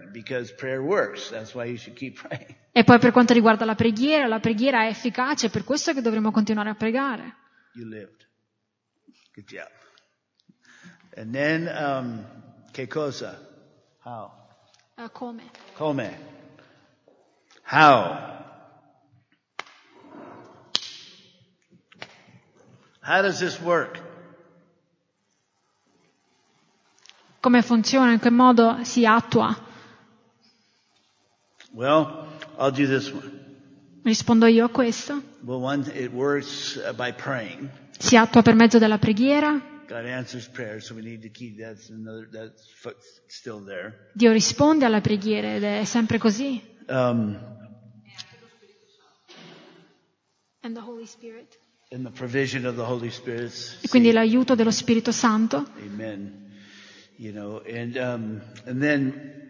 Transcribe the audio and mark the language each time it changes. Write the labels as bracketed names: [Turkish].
[English] Because prayer works, that's why you should keep praying. [Italian] E poi per quanto riguarda la preghiera è efficace, per questo che dovremmo continuare a pregare. [English] You lived. Good job. And then, [Italian] che cosa? [English] How? [Italian] Come. Come. [English] How? How does this work? [Italian] Come funziona, in che modo si attua? [English] Well, I'll do this one. [Italian] Rispondo io a questo. [English] Well, one, it works by praying. [Italian] Si attua per mezzo della preghiera. [English] God answers prayer, so we need to keep that's another that's still there. [Italian] Dio risponde alla preghiera ed è sempre così. [English] And the Holy Spirit. And the provision of the Holy Spirit. [Italian] E quindi l'aiuto dello Spirito Santo. [English] Amen. You know, and then.